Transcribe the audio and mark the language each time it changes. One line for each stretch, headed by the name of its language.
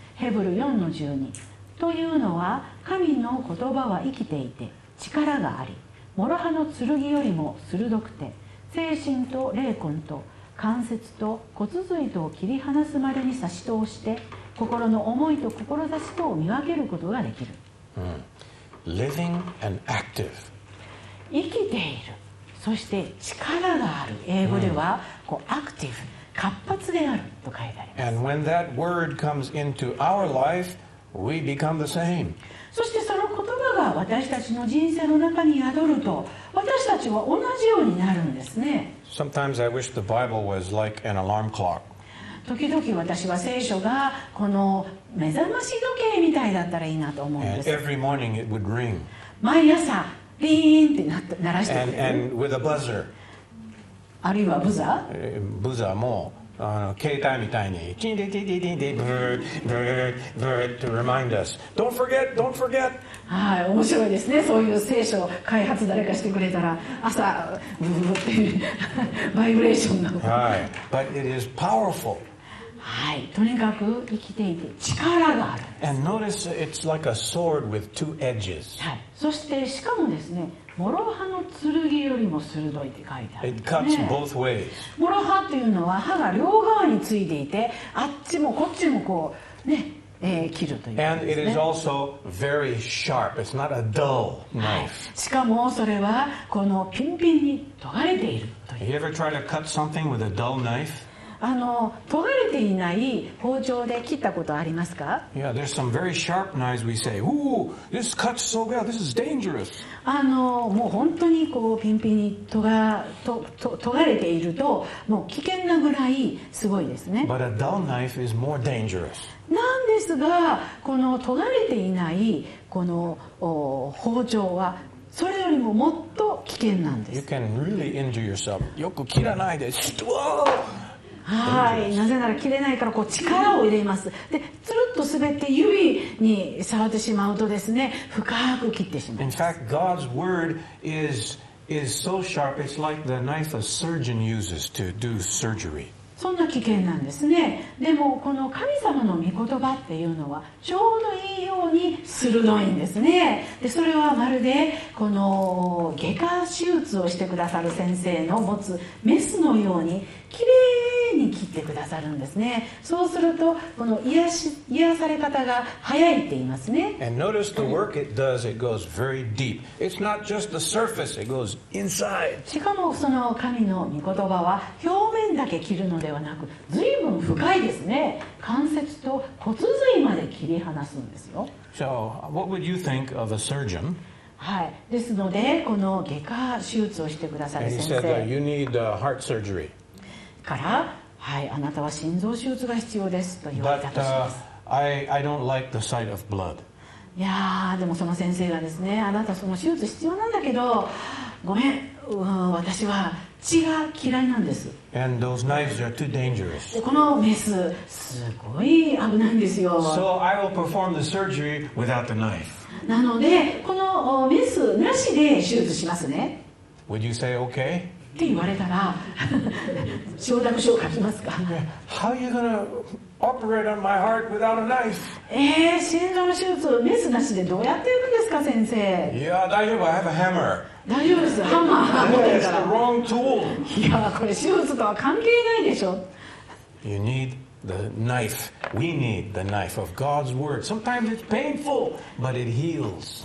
Japanese: ヘブル 4-12 というのは神の言葉は生きていて力があり、モロ刃の剣よりも鋭くて、精神と霊魂と関節と骨髄とを切り離すまでに差し通して、心の思いと志とを見分けることができる。
English: Living and active.
Japanese: 生きている、そして力がある。英語ではこうアクティブ、活発であると書いてあります。
English: And when that word comes into our life, we become the same.
Japanese: そしてその言葉が私たちの人生の中に宿ると、私たちは同じようになるんですね。
English: Sometimes I wish the Bible was like an alarm clock.
Japanese: 時々私は聖書がこの目覚まし時計みたいだったらいいなと思うんです。
English: And every morning it would ring.
Japanese: 毎朝ビーンって鳴らしてくれる。
English: And with a buzzer.
Japanese: あるいはブザー、ブザーもあの携帯みたいにチンディディディディディブーブーブーと
English: remind us don't forget don't forget。
Japanese: はい、面白いですね。そういう聖書開発誰かしてくれたら朝ブーブーってバイブレーションなの。
English: はい、but it is powerful。
Japanese: はい、とにかく生きていて力がある。
English: And notice it's like a sword with two edges。
Japanese: はい、そしてしかもですね、モロハの剣よりも鋭いって書いてある、ね、
English: It cuts both ways.
Japanese: モロハっていうのは刃が両側についていて、あっちもこっちもこうね、切るというです、ね、
English: And it is also very sharp. It's not a dull knife.、
Japanese: はい、しかもそれはこのピンピンに尖れているという。
English: Have you ever tried to cut something with a dull knife?
Japanese: あの尖れていない包丁で切ったことありますか？
English: Yeah, there's some very sharp knives we say, Ooh, this cuts so well. This is dangerous.
Japanese: あのもう本当にこうピンピンに尖れていると、もう危険なぐらいすごいですね。
English: But a dull knife is more dangerous.
Japanese: なんですが、この尖れていないこの包丁はそれよりももっと危険なんです。
English: You can really injure yourself.
Japanese: よく切らないです。
English: Whoa!
Japanese: はい、なぜなら切れないからこう力を入れます。でつるっと滑って指に触ってしまうとですね、深く切ってしまいます。
English: In fact, God's word is so sharp, it's like the knife a surgeon uses to do surgery.
Japanese: そんな危険なんですね。でもこの神様の御言葉っていうのはちょうどいいように鋭いんですね。でそれはまるでこの外科手術をしてくださる先生の持つメスのようにきれいに切ってくださるんですね。そうするとこの癒され方が早いって言いますね。
English: And notice the work it does, it goes very deep. It's not just the surface, it goes inside.
Japanese: しかもその神の御言葉は表面だけ切るのではなく、随分深いですね。関節と骨髄まで切り離すんですよ。
English: So, what would you think of a surgeon?
Japanese: はい、ですのでこの外科手術をしてくださる先生、
English: And he said that you need a heart surgery.
Japanese: から、はい、あなたは心臓手術が必要ですと言われたと
English: します。I don't like the sight of blood.
Japanese: いやー、でもその先生がですね、あなたその手術必要なんだけど、ごめん、私は血が嫌いなんです。
English: And those knives are too dangerous.
Japanese: このメス、すごい危ないんですよ。
English: So I will perform the surgery without the knife.
Japanese: なので、このメスなしで手術しますね。
English: Would you say okay?
Japanese: って言われたら承諾書を書きますか。
English: How are you going to operate on my heart without a knife?
Japanese: 心臓の手術メスなしでどうやっていくんですか先生。
English: Yeah,
Japanese: 大丈夫、
English: I have a hammer.
Japanese: 大丈夫です、ハンマー持ってるから。
English: It's the wrong tool.
Japanese: いや、これ手術とは関係ないでしょ。
English: You need the knife. We need the knife of God's word. Sometimes it's painful, but it heals.